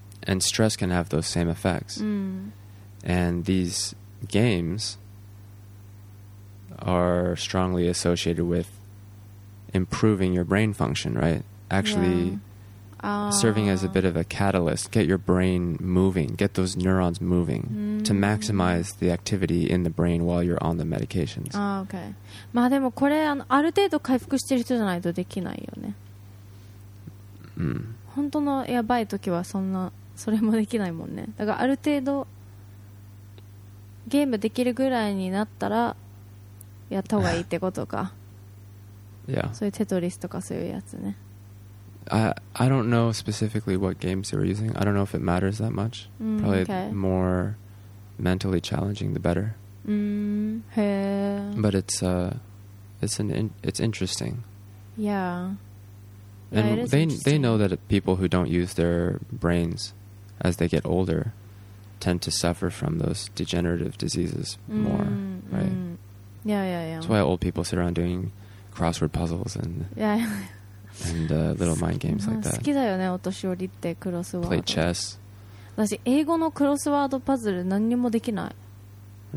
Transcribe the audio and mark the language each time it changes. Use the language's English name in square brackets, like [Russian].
[English] And stress can have those same effects. And these games are strongly associated with improving your brain function, right? Actually serving as a bit of a catalyst. Get your brain moving. Get those neurons moving to maximize the activity in the brain while you're on the medications. Ah, okay. [Japanese] まあでもこれある程度回復してる人じゃないとできないよね。本当のやばい時はそんなそれもできないもんね。だからある程度ゲームできるぐらいになったらやった方がいいってことか。 [English] Yeah. [Japanese] そういうテトリスとかそういうやつね。 [English] I don't know specifically what games you're using. I don't know if it matters that much. Probably more mentally challenging, the better. [Japanese] へえ。 [English] But it's interesting. Yeah. And they know that people who don't use their brains as they get older tend to suffer from those degenerative diseases more, right? Yeah, yeah, yeah. That's why old people sit around doing crossword puzzles and and little mind games like that. [Japanese] 好きだよね、お年寄りってクロスワード。 [English] Play chess. [Japanese] 私、英語のクロスワードパズル何にもできない。